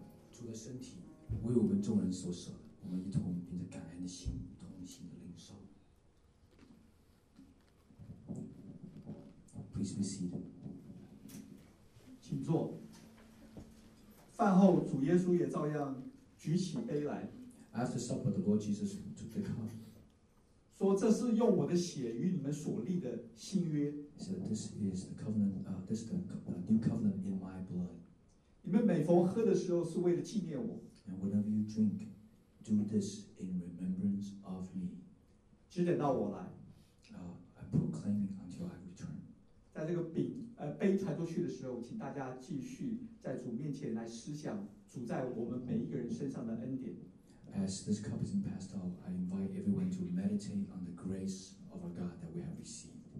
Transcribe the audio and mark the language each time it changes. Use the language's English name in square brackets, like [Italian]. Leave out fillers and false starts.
[Chinese] 主的身体为我们众人所舍，我们一同凭着感恩的心，同心的领受。 [English] Please be seated， [Chinese] 请坐。饭后，主耶稣也照样举起杯来。 [English] After supper, the Lord Jesus took the cup. [Chinese] 说这是用我的血与你们所立的新约。 [English] So this is the covenant, this is the new covenant in my blood. [Chinese] 你们每逢喝的时候是为了纪念我。 [English] And whenever you drink, do this in remembrance of me. [Chinese] 只等到我来。 [English] I'm proclaiming until I return. [Chinese] 在这个饼杯传出去的时候，请大家继续在主面前来思想主在我们每一个人身上的恩典。 [English] As this cup is passed out, I invite everyone to meditate on the grace of our God that we have received.